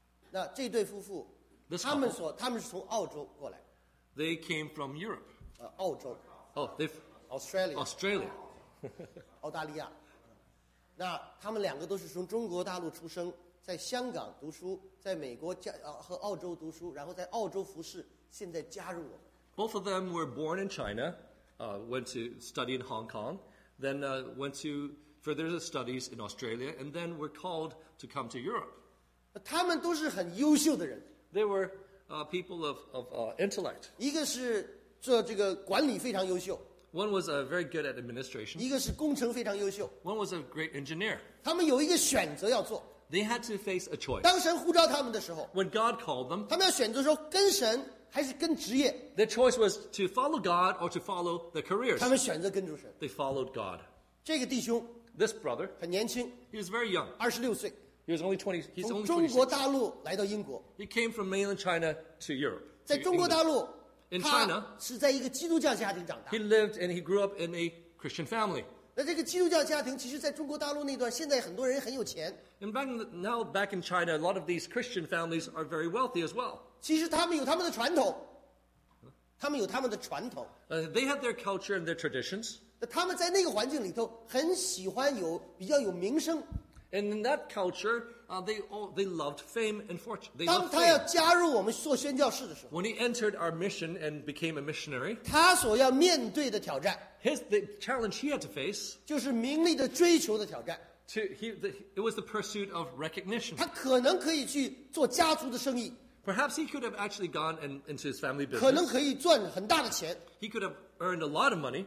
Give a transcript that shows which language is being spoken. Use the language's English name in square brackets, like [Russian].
[Chinese] 那这对夫妇 [English] This [Chinese] couple, 他们是从澳洲过来 [English] They came from Europe. [Chinese] 澳洲 [English] Oh, they've Australia. Australia. [Chinese] 澳大利亚那他们两个都是从中国大陆出生，在香港读书，在美国和澳洲读书，然后在澳洲服事，现在加入我们。 [English] Both of them were born in China, went to study in Hong Kong, then went to further studies in Australia, and then were called to come to Europe. [Chinese] 他们都是很优秀的人。 [English] They were people of intellect. [Chinese] 一个是做这个管理非常优秀。 [English] One was very good at administration. [Chinese] 一个是工程非常优秀。 [English] One was a great engineer. [Chinese] 他们有一个选择要做。 [English] They had to face a choice. [Chinese] 当神呼召他们的时候。 [English] When God called them. [Chinese] 他们要选择说跟神还是跟职业。 [English] Their choice was to follow God or to follow their careers. [Chinese] 他们选择跟住神。 [English] They followed God. [Chinese] 这个弟兄。 [English] This brother. [Chinese] 很年轻。 [English] He was very young. [Chinese] 二十六岁。 [English] He was only 20. He's only 26. [Chinese] 从中国大陆来到英国。 [English] He came from mainland China to Europe. [Chinese] 在中国大陆。 [English] In China, [Chinese] 他是在一个基督教家庭长大。 [English] He lived and he grew up in a Christian family. [Chinese] 那这个基督教家庭，其实在中国大陆那段，现在很多人很有钱。 [English] And back in China, a lot of these Christian families are very wealthy as well. [Chinese] 其实他们有他们的传统，他们有他们的传统。 [English] They have their culture and their traditions. [Chinese] 他们在那个环境里头，很喜欢有比较有名声。 [English] And in that culture, they loved fame and fortune. They [Chinese] 当他要加入我们做宣教士的时候 [English] ，When he entered our mission and became a missionary, [Chinese] 他所要面对的挑战 [English] the challenge he had to face, [Chinese] 就是名利的追求的挑战。 [English] It was the pursuit of recognition. [Chinese] 他可能可以去做家族的生意 [English] ，Perhaps he could have actually gone into his family business. [Chinese] 可能可以赚很大的钱 [English] ，He could have earned a lot of money.